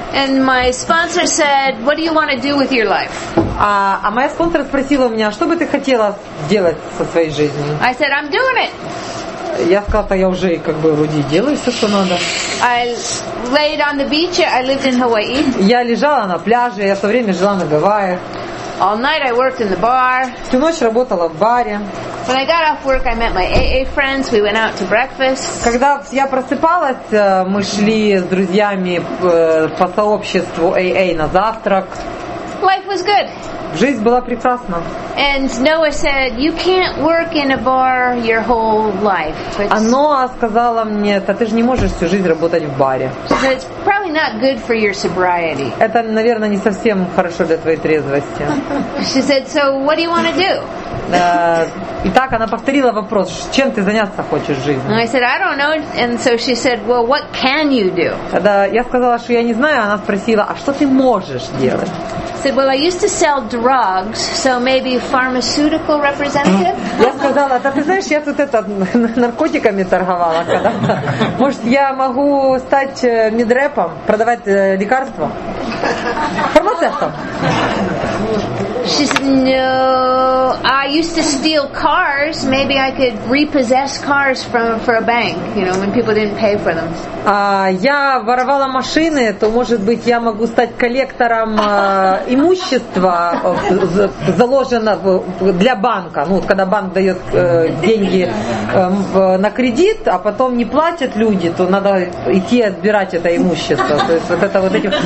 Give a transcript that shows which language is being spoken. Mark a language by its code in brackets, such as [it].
[en] And my sponsor said, "What do you want to do with your life?" [ru] А моя спонсор спросила меня, что бы ты хотела сделать со своей жизнью? [en] I said, "I'm doing it." [ru] Я сказала, что я уже как бы вроде делаю все, что надо. [en] I laid on the beach. I lived in Hawaii. [ru] Я лежала на пляже. Я все время жила на Гавайях. [en] All night I worked in the bar. [ru] Всю ночь работала в баре. [en] When I got off work, I met my AA friends. We went out to breakfast. [ru] Когда я просыпалась, мы шли с друзьями по сообществу AA на завтрак. [en] Life was good. [ru] Жизнь была прекрасна. [en] And Noah said, "You can't work in a bar your whole life." [ru] А Ноа сказала мне, "Да ты же не можешь всю жизнь работать в баре." [en] So it's probably not good for your sobriety. [ru] Это, наверное, не совсем хорошо для твоей трезвости. [en] She said, "So what do you want to do?" [ru] Итак, она повторила вопрос, чем ты заняться хочешь в жизни? [en] And I said, "I don't know." And so she said, "Well, what can you do?" [ru] Да, я сказала, что я не знаю, она спросила, "А что ты можешь делать?" [en] Said, "Well, I used to sell drugs, so maybe pharmaceutical representative." [ru] Я сказала, "Да ты знаешь, я тут наркотиками торговала когда-то. Может, я могу стать медрепом, продавать лекарства, фармацевтом?" [en] She said, "No, I used to steal cars. Maybe I could repossess cars for a bank. You know, when people didn't pay for them." [ru] Я воровала машины, то может быть я могу стать коллектором имущества, заложено для банка. Ну, когда банк дает деньги на кредит, а потом не платят люди, то надо идти отбирать это имущество. То есть вот это вот эти.